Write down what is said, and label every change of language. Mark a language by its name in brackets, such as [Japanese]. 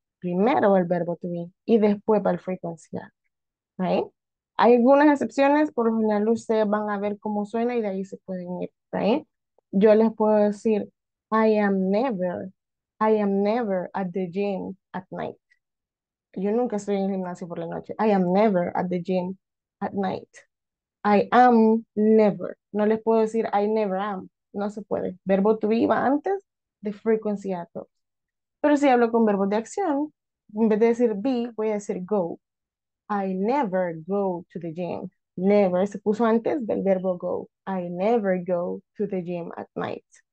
[Spanish] Primero el verbo to be y después va el frequency adverb. ¿Right? Hay algunas excepciones, por lo general ustedes van a ver cómo suena y de ahí se pueden ir. ¿Right? Yo les puedo decir, [English] I am never at the gym at night. [Spanish] Yo nunca estoy en el gimnasio por la noche. [English] I am never at the gym at night. I am never. [Spanish] No les puedo decir [English] I never am. [Spanish] No se puede. Verbo to be va antes de frequency adverb. Pero si hablo con verbos de acción, en vez de decir be, voy a decir go. [English] I never go to the gym. Never [Spanish] se puso antes del verbo [English] go. I never go to the gym at night.